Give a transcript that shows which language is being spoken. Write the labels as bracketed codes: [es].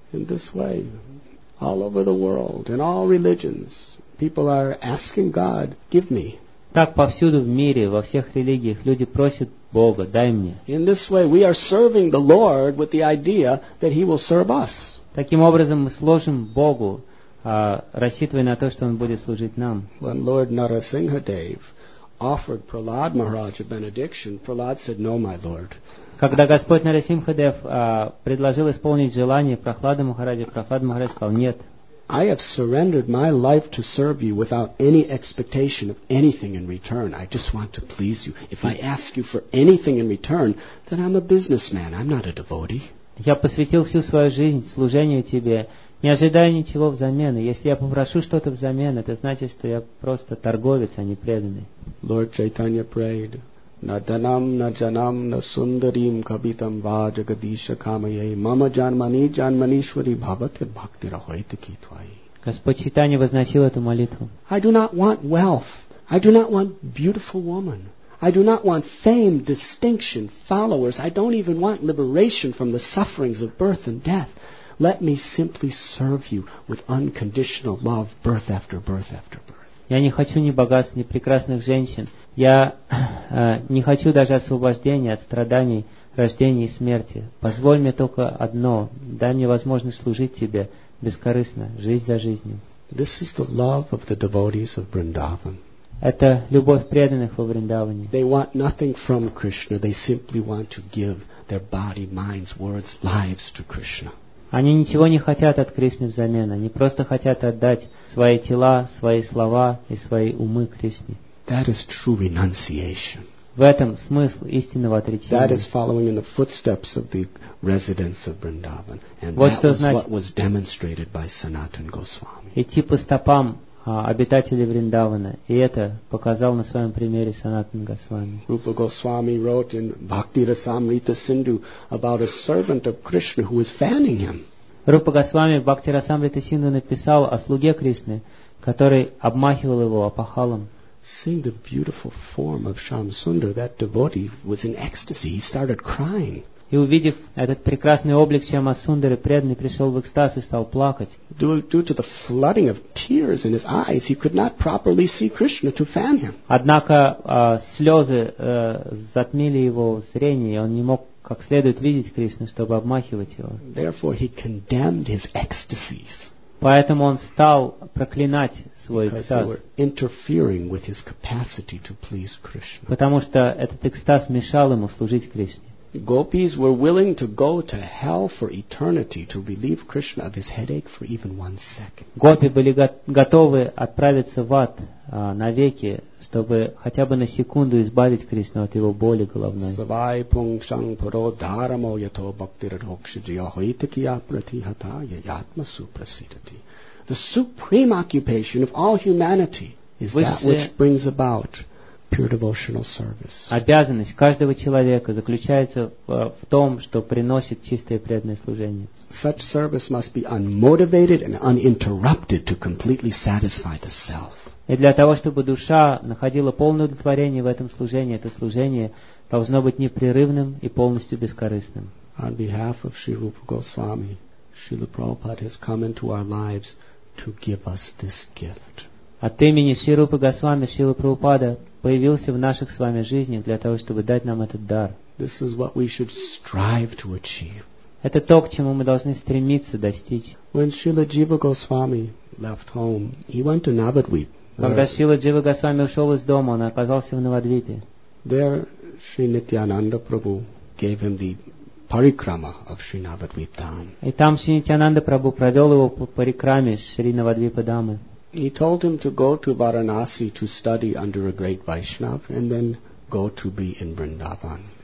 [en] In this way, all over the world, in all religions, people are asking God, give me. [ru] Так повсюду в мире, во всех религиях, люди просят Бога, дай мне. [en] In this way, we are serving the Lord with the idea that He will serve us. [ru] Таким образом, мы служим Богу, рассчитывая на то, что Он будет служить нам. [en] When Lord Narasimhadev offered Prahlad Maharaj a benediction, Prahlad said, "No, my Lord." [ru] Когда Господь Нарасимхадев предложил исполнить желание Прохлады Махараджи, Прохлад Махарадж сказал, "Нет." [en] I have surrendered my life to serve you without any expectation of anything in return. I just want to please you. If I ask you for anything in return, then I'm a businessman. I'm not a devotee. [ru] Я посвятил всю свою жизнь служению тебе, не ожидая ничего взамен. Если я попрошу что-то взамен, это значит, что я просто торговец, а не преданный. [en] Lord Chaitanya prayed, [sa] Na danam, na janam, na sundarim, kabitam, va jagadisha kamaye, mama janmani, janmanishwari, bhavate, bhakti rahoite kitvai. [ru] Господь Читания возносил эту молитву. [en] I do not want wealth. I do not want beautiful woman. I do not want fame, distinction, followers. I don't even want liberation from the sufferings of birth and death. Let me simply serve you with unconditional love, birth after birth after birth. [ru] Я не хочу ни богатств, ни прекрасных женщин. Я не хочу даже освобождения от страданий, рождения и смерти. Позволь мне только одно. Дай мне возможность служить тебе бескорыстно, жизнь за жизнью. [en] This is the love of the devotees of Vrindavan. [ru] Это любовь преданных во Вриндаване. [en] They want nothing from Krishna. They simply want to give their body, minds, words, lives to Krishna. [ru] Они ничего не хотят от Кришны взамен. Они просто хотят отдать свои тела, свои слова и свои умы Кришне. [en] That is true renunciation. [ru] В этом смысл истинного отречения. [en] That is following in the footsteps of the residents of Vrindavan. And that is what was demonstrated by Sanatan Goswami. [ru] Идти по стопам обитателей Вриндавана. И это показал на своем примере Санатан Госвами. [en] Rupa Goswami wrote in Bhakti Rasamrita Sindhu about a servant of Krishna who was fanning him. [ru] Rupa Goswami в Bhakti Rasamrita Sindhu написал о слуге Кришны, который обмахивал его опахалом. [en] Seeing the beautiful form of Shamsundar, that devotee was in ecstasy. He started crying. [ru] И увидев этот прекрасный облик Шамасундары, преданный пришел в экстаз и стал плакать. [en] Due to the flooding of tears in his eyes, he could not properly see Krishna to fan him. [ru] Однако слезы затмили его зрение, и он не мог как следует видеть Кришну, чтобы обмахивать его. [en] Therefore, he condemned his ecstasies. [ru] Поэтому он стал проклинать свой экстаз. [en] Because they were interfering with his capacity to please Krishna. [ru] Потому что этот экстаз мешал ему служить Кришне. [en] Gopis were willing to go to hell for eternity to relieve Krishna of his headache for even one second. [ru] Гопи были готовы отправиться в ад навеки, чтобы хотя бы на секунду избавить Кришну от его боли головной. [sa] Свай пунг шанг паро дарамо ято бхакти радхокши джия хойте кия пратихата яятма супрасидати. [en] The supreme occupation of all humanity is that which brings about pure devotional service. [ru] Обязанность каждого человека заключается в том, что приносит чистое преданное служение. [en] Such service must be unmotivated and uninterrupted to completely satisfy the self. [ru] И для того, чтобы душа находила полное удовлетворение в этом служении, это служение должно быть непрерывным и полностью бескорыстным. [en] On behalf of Sri Rupa Goswami, Srila Prabhupada has come into our lives to give us this gift. [ru] От имени Шри Рупы Госвами, Шрила Прабхупада появился в наших с вами жизнях для того, чтобы дать нам этот дар. [en] This is what we should strive to achieve. [ru] Это то, к чему мы должны стремиться достичь. [en] When Srila Jiva Goswami left home, he went to Navadvip. [ru] Когда Шрила Джива Госвами ушел из дома, он оказался в Навадвипе. [en] There, Sri Nityananda Prabhu. gave him the parikrama of Srinavadvipa Dham. [ru] И там Шри Нитьянанда Прабху провел его по парикраме Шри Навадвипа Дамы. [en] He told him to go to Varanasi to study under a great Vaishnav and then go to be in Vrindavan.